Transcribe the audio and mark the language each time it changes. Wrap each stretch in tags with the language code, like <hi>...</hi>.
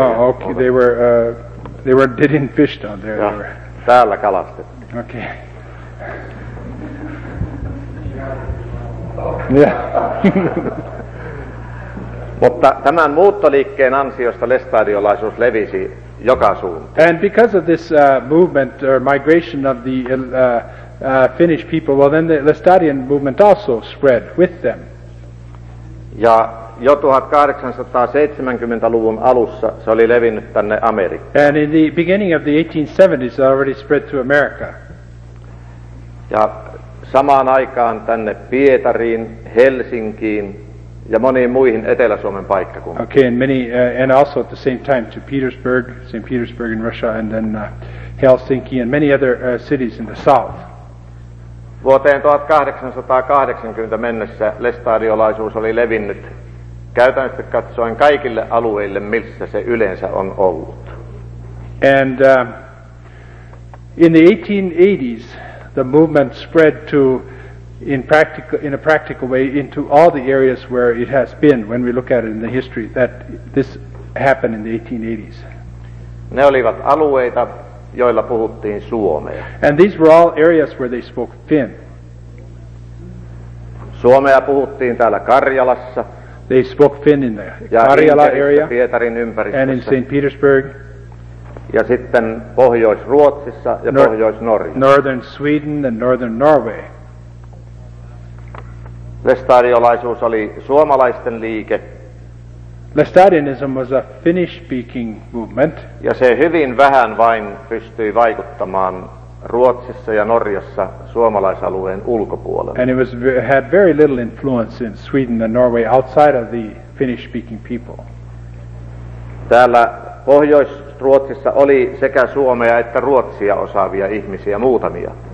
<en>Oh, okay, they didn't fish down there.</en> <fi>Ja,</fi> <en>they were.</en> <fi>Täällä kalastettu.</fi> <en>Okay. Yeah.</en> <fi>Mutta tämän muuttoliikkeen ansiosta lestadiolaisuus levisi joka suuntaan.</fi> <en>And because of this movement or migration of the Finnish people, well then the Lestadian movement also spread with them.</en> <fi>Ja jo 1870-luvun alussa se oli levinnyt tänne Amerikkaan.</fi> <en>And in the beginning of the 1870s it already spread to America.</en> <fi>Ja samaan aikaan tänne Pietariin, Helsinkiin ja moniin muihin Etelä-Suomen paikkakuntiin.</fi> <en>Okay, and many and also at the same time to Petersburg, St. Petersburg in Russia, and then Helsinki and many other cities in the south.</en> <fi>Vuoteen 1880 mennessä lestadiolaisuus oli levinnyt käytännössä katsoen kaikille alueille, missä se yleensä on ollut.</fi> <en>And in the 1880s, the movement spread to in a practical way into all the areas where it has been, when we look at it in the history, that this happened in the 1880s.</en> <fi>Ne olivat alueita, joilla puhuttiin suomea.</fi> <en>And these were all areas where they spoke Finn.</en> <fi>Suomea puhuttiin täällä Karjalassa.</fi> <en>They spoke Finn in the Karjala area.</en> <fi>Pietarin ympäristössä.</fi> <en>And in St. Petersburg.</en> <fi>Ja sitten Pohjois-Ruotsissa ja Pohjois-Norja.</fi> <en>Northern Sweden and Northern Norway.</en> <fi>Lestadiolaisuus oli suomalaisten liike.</fi> <en>Lestadianism was a Finnish-speaking movement.</en> <fi>Ja se hyvin vähän vain pystyi vaikuttamaan Ruotsissa ja Norjassa suomalaisalueen ulkopuolella.</fi> <en>And it was, had very little influence in Sweden and Norway outside of the Finnish-speaking people.</en> <fi>Täällä Pohjois-Ruotsissa oli sekä suomea että ruotsia osaavia ihmisiä muutamia.</fi>